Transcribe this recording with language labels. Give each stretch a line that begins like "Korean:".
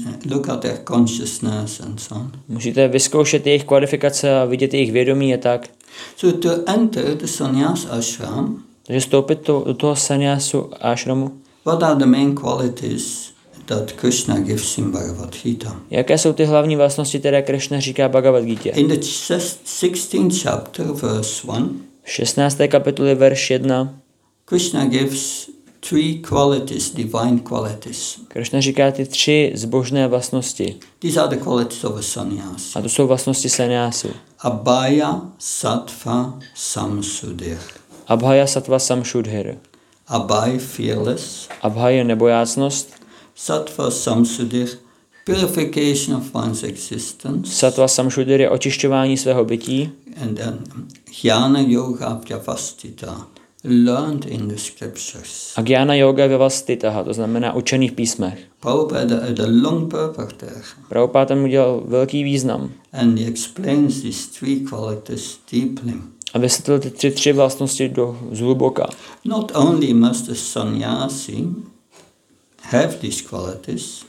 English: Look at their consciousness and so on.
Czech: Musíte vyzkoušet jejich kvalifikace a vidět jejich vědomí a tak.
English: So to enter the sannyas ashram.
Czech: Takže vstoupit do toho sannyasu ashramu.
English: What are the main qualities that Krishna gives in Bhagavad Gita?
Czech: Jaké jsou ty hlavní vlastnosti, které Krishna říká Bhagavad Gita?
English: In the 16th chapter, verse 1.
Czech: V 16. kapitole, verš 1.
English: Krishna gives three qualities, divine qualities.
Czech: Krishna říká ty tři zbožné vlastnosti.
English: These are the qualities of a sannyas.
Czech: A to jsou vlastnosti sannyasu.
Sanskrit: Abhaya, sattva, samsudhir. Abhaya, sattva, samsudhir.
English: Abhaya, fearless.
Czech: Abhaya, nebojácnost.
English: Sattva, samsudhir, purification of one's existence.
Czech: Sattva, samsudhir je očišťování svého bytí.
English: And then jnana yoga, vyavastita. Learned in the scriptures.
Czech: A jnana yoga vyavastitaha, to znamená učený v písmech.
English: Prabhupada had a long purport there.
Czech: Prabhupada tam udělal velký význam.
English: And he explains these three qualities deeply.
Czech: A vysvětlil ty tři vlastnosti do zhluboka.
English: Not only must a sannyasi have these qualities.